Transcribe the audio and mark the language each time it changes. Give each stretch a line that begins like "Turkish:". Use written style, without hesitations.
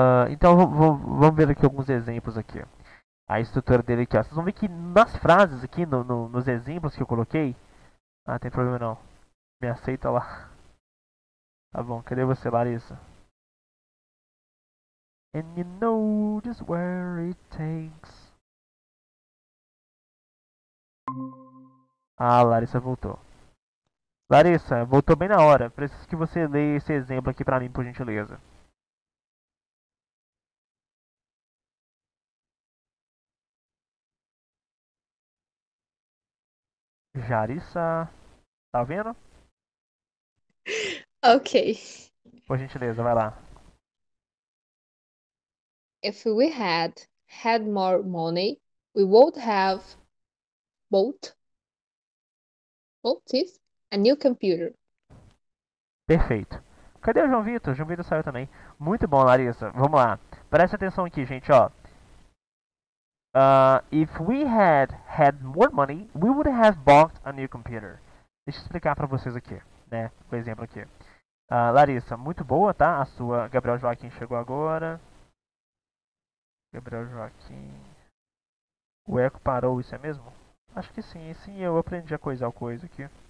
Portuguese: Então vamos ver aqui alguns exemplos aqui. A estrutura dele aqui, ó. Vocês vão ver que nas frases aqui, no, no, nos exemplos que eu coloquei. Ah, tem problema não. Me aceita lá. Tá bom, cadê você, Larissa?
English: And you know this where it takes.
Portuguese: Ah, Larissa voltou. Larissa, voltou bem na hora. Preciso que você leia esse exemplo aqui pra mim, por gentileza. Jarissa, tá ouvindo? Ok. Por gentileza, vai lá.
English: If we had more money, we would have bought this a new computer.
Portuguese: Perfeito. Cadê o João Vitor? O João Vitor saiu também. Muito bom, Larissa. Vamos lá. Presta atenção aqui, gente, ó.
English: If we had more money, we would have bought a new computer.
Portuguese: Deixa eu explicar pra vocês aqui, né? Por exemplo aqui. Larissa, muito boa, tá? A sua. Gabriel Joaquim chegou agora. Gabriel Joaquim. O eco parou, isso é mesmo? Acho que sim, eu aprendi a coisar o coisa aqui.